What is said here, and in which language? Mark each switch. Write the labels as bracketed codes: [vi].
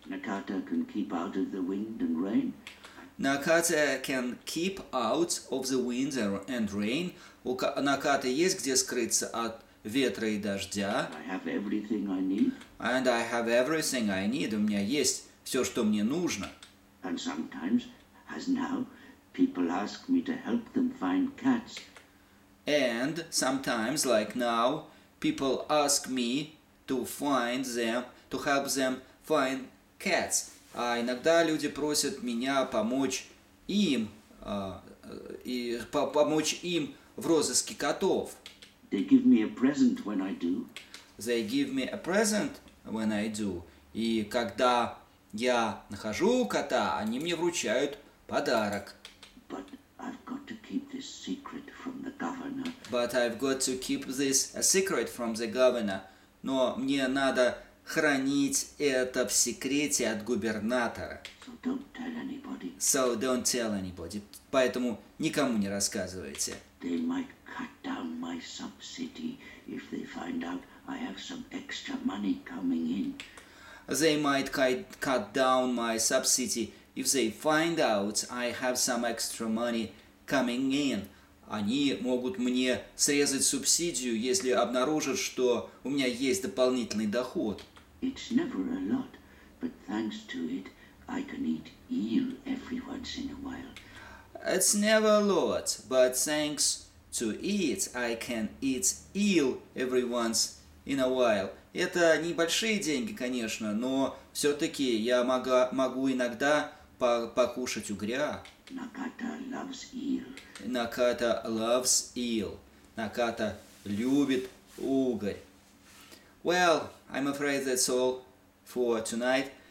[en] Nakata can keep out of the wind and rain. Nakata can keep out of the wind and rain. [ru] У Nakata есть где скрыться от ветра и дождя. [en] I have everything I need. And I have everything I need. [ru] У меня есть все, что мне нужно. [en] And sometimes, as now, people ask me to help them find cats. And sometimes, like now, people ask me to find them, to help them find cats. [ru] А иногда люди просят меня помочь им в розыске котов. [en] They give me a present when I do. They give me a present when I do. [ru] И когда я нахожу кота, они мне вручают подарок. [en] But I've got to keep this secret from the governor. But I've got to keep this a secret from the governor. [ru] Но мне надо хранить это в секрете от губернатора. [en] So don't tell anybody. So don't tell anybody. [ru] Поэтому никому не рассказывайте. [en] They might cut down my subsidy if they find out I have some extra money coming in. They might cut down my subsidy if they find out I have some extra money coming in. [ru] Они могут мне срезать субсидию, если обнаружат, что у меня есть дополнительный доход. [en] It's never a lot, but thanks to it, I can eat eel every once in a while. It's never a lot, but thanks to it, I can eat eel every once in a while. [ru] Это небольшие деньги, конечно, но все-таки я могу иногда покушать угря. [en] Nakata loves eel. Nakata loves eel. Nakata [ru] любит угорь. [en] Well, I'm afraid that's all for tonight.